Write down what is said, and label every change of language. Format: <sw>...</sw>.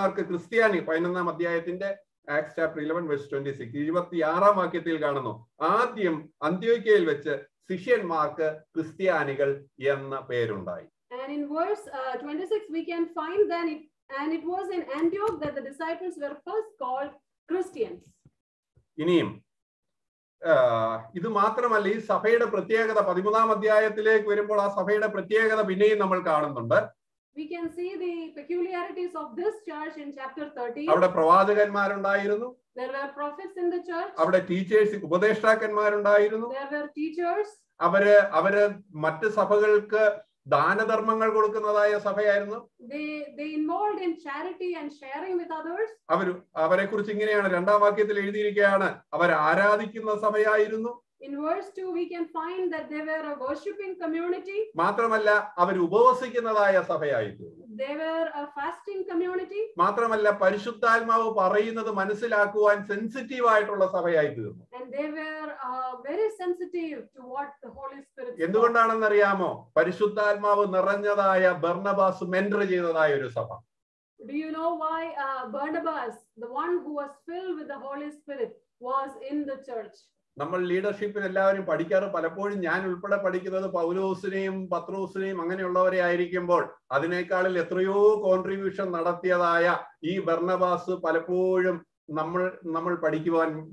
<ml>ക്രിസ്ത്യാനി 11-ാം അധ്യായത്തിന്റെ Acts chapter 11:26 26-ാം വാക്യത്തിൽ കാണുന്നു ആദ്യം അന്ത്യോക്യയിൽ വെച്ച് ശിഷ്യന്മാർക്ക് ക്രിസ്ത്യാനികൾ എന്ന പേരുണ്ടായി.</ml> <en>And in verse 26 we can find that it was in Antioch that the disciples were first called Christians.</en> <ml>ഇനിയും ഇത് മാത്രമല്ല ഈ സഭയുടെ പ്രത്യേകത 13-ാം അധ്യായത്തിലേക്ക് വരുമ്പോൾ ആ സഭയുടെ പ്രത്യേകത പിന്നെയും നമ്മൾ കാണുന്നുണ്ട്.</ml> <en>We can see the peculiarities of this church in chapter 13.</en> <ml>അവിടെ പ്രവാചകന്മാരുണ്ടായിരുന്നു.</ml> <en>There were prophets in the church.</en> <ml>അവിടെ ടീച്ചേഴ്സ് ഉപദേഷ്ടാക്കന്മാരുണ്ടായിരുന്നു.</ml> <en>There were teachers.</en> <ml>അവര് മറ്റ് സഭകൾക്ക് ദാനധർമ്മങ്ങൾ കൊടുക്കുന്നതായ സഭയായിരുന്നു.</ml> <en>They involved in charity and sharing with others.</en> <ml>അവരെ കുറിച്ച് ഇങ്ങനെയാണ് 2-ാം വാക്യത്തിൽ എഴുതിയിരിക്കുകയാണ് അവർ ആരാധിക്കുന്ന സഭയായിരുന്നു.</ml> <en>In verse 2 we can find that they were a worshiping community.</en> <ml>മാത്രമല്ല അവർ ഉപവസിക്കുന്നതായ സഭയായിരുന്നു.</ml> <en>They were a fasting community.</en> <ml>മാത്രമല്ല പരിശുദ്ധാത്മാവ് പറയുന്നത് മനസ്സിലാക്കുവാൻ സെൻസിറ്റീവ് ആയിട്ടുള്ള സഭയായിരുന്നു.</ml> <en>And they were very sensitive to what the Holy Spirit.</en> <ml>എന്തുകൊണ്ടാണെന്ന് അറിയാമോ? പരിശുദ്ധാത്മാവ് നിറഞ്ഞതായ ബർണബാസ് മെന്റർ ചെയ്തതായ ഒരു സഭ.</ml> <en>Do you know why Barnabas, the one who was filled with the Holy Spirit, was in the church?</en> <ml>നമ്മൾ ലീഡർഷിപ്പിൽ എല്ലാവരും പഠിക്കാറ് പലപ്പോഴും ഞാൻ ഉൾപ്പെടെ പഠിക്കുന്നത് പൗലോസിനെയും പത്രോസിനെയും അങ്ങനെയുള്ളവരെ ആയിരിക്കുമ്പോൾ അതിനേക്കാളിൽ എത്രയോ കോൺട്രിബ്യൂഷൻ നടത്തിയതായ ഈ ബർണബാസ് പലപ്പോഴും നമ്മൾ പഠിക്കുവാൻ</ml>